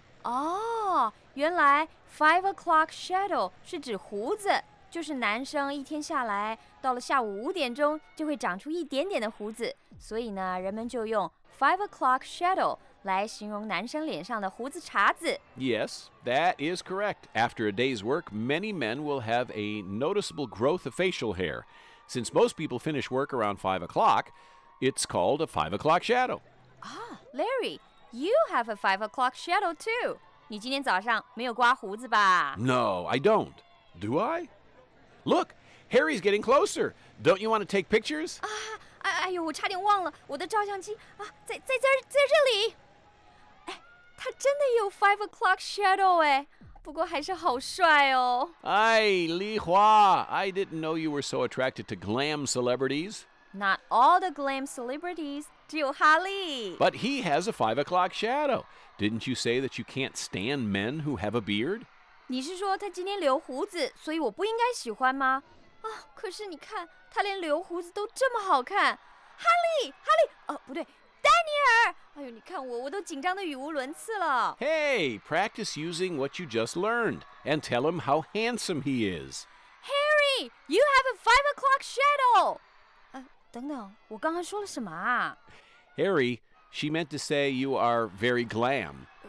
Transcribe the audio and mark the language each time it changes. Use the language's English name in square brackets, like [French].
[Chinese] Oh, 原来 5 o'clock shadow 是指胡子，就是男生一天下来到了下午5点就会长出一点点的胡子，所以呢，人们就用 5 o'clock shadow 来形容男生脸上的胡子茬子。 [English] Yes, that is correct. After a day's work, many men will have a noticeable growth of facial hair. Since most people finish work around 5 o'clock, it's called a 5 o'clock shadow. Ah, Larry, you have a 5 o'clock shadow too. [Chinese] 你今天早上没有刮胡子吧？ [English] No, I don't. Do I? Look, Harry's getting closer. Don't you want to take pictures? [Chinese] Ah, 哎呦，我差点忘了，我的照相机啊，在这里。哎，他真的有 5 o'clock shadow 哎，不过还是好帅哦。 [English] 哎，李华 ，I didn't know you were so attracted to glam celebrities. Not all the glam celebrities, [Chinese] 只有哈利。 [English] But he has a 5 o'clock shadow. Didn't you say that you can't stand men who have a beard? [Chinese] 你是说他今天留胡子，所以我不应该喜欢吗？啊，可是你看，他连留胡子都这么好看，哈利，哈利，哦，不对，丹尼尔。哎呦，你看我，我都紧张得语无伦次了。 [English] Hey, practice using what you just learned, and tell him how handsome he is. Harry, you have a 5 o'clock shadow. [Chinese] 等等，我刚刚说了什么啊 [English] ？Harry, she meant to say you are very glam.